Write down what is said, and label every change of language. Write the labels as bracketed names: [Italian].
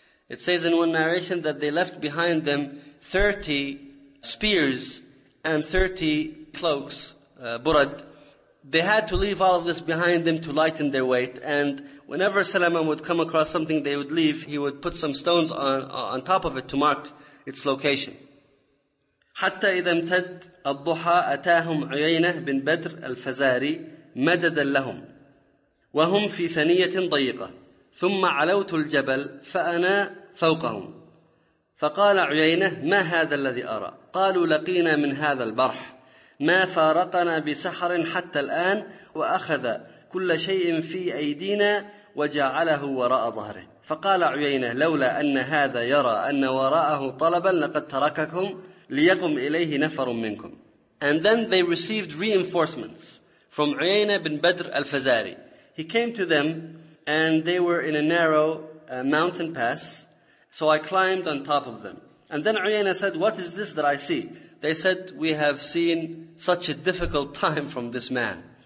[English] It says in one narration that they left behind them 30 spears and 30 cloaks, burad. They had to leave all of this behind them to lighten their weight. And whenever Salama would come across something they would leave, he would put some stones on top of it to mark its location. [Arabic] حَتَّى إِذَا امْتَدْ الضُّحَى أَتَاهُمْ عُيَيْنَةَ بِنْ بَدْرَ الْفَزَارِي مَدَدًا لَهُمْ وَهُمْ فِي ثَنِيَّةٍ ضَيِّقَةٍ ثُمَّ عَلَوْتُ الْجَبَلِ فَأَنَا فَوْقَهُمْ فَقَالَ عُيَيْنَةَ مَا هَذَا الَّذِي أَرَى قَالُوا لَقِينَا مِنْ هَذَا الْبَرْحِ ما فارقنا بسحر حتى الآن وأخذ كل شيء في أيدينا وجعله وراء ظهره فقال عيينة لولا أن هذا يرى أن وراءه طلبا لقد ترككم ليقم إليه نفر منكم. [English] And then they received reinforcements from عيينة بن بدر الفزاري. He came to them and they were in a narrow mountain pass, so I climbed on top of them. And then عيينة said, what is this that I see? They said, we have seen such a difficult time from this man.